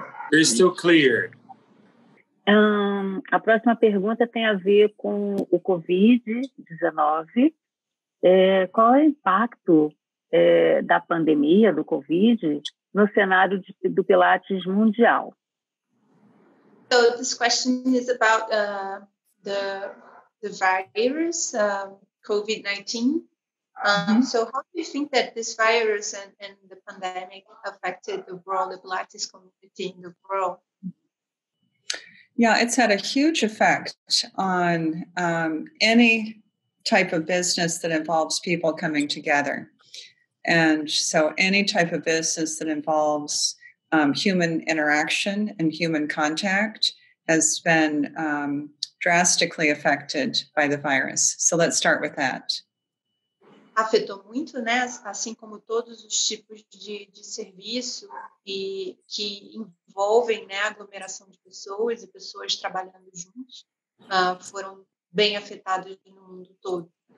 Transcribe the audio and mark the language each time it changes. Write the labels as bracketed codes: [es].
[en] Crystal clear. [pt] A próxima pergunta tem a ver com o COVID-19. Qual é o impacto da pandemia, do COVID, no cenário do Pilates mundial? [en] So this question is about the virus, COVID-19. So how do you think that this virus and the pandemic affected the world, the Pilates community in the world? Yeah, it's had a huge effect on any type of business that involves people coming together. And so any type of business that involves human interaction and human contact has been drastically affected by the virus. So let's start with that. [pt] Afetou muito, né? Assim como todos os tipos de serviço e que envolvem, né, aglomeração de pessoas e pessoas trabalhando juntos, foram bem afetados no mundo todo.